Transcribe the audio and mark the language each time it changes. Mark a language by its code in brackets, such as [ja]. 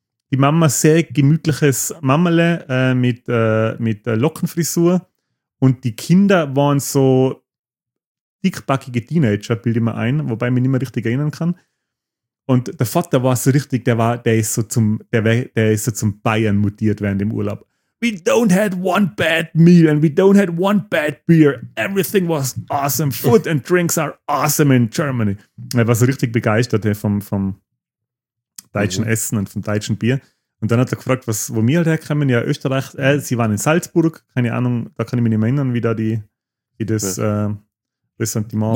[de] Die Mama sehr gemütliches Mammele mit Lockenfrisur. Und die Kinder waren so dickbackige Teenager, bilde ich mir ein, wobei ich mich nicht mehr richtig erinnern kann. Und der Vater war so richtig, der ist so zum Bayern mutiert während dem Urlaub. [en] We don't had one bad meal and we don't had one bad beer. Everything was awesome. Food and drinks are awesome in Germany. [de] Er war so richtig begeistert vom deutschen Essen und vom deutschen Bier. Und dann hat er gefragt, wo wir halt herkommen. Ja, Österreich. Sie waren in Salzburg. Keine Ahnung, da kann ich mich nicht mehr erinnern, wie das Ressentiment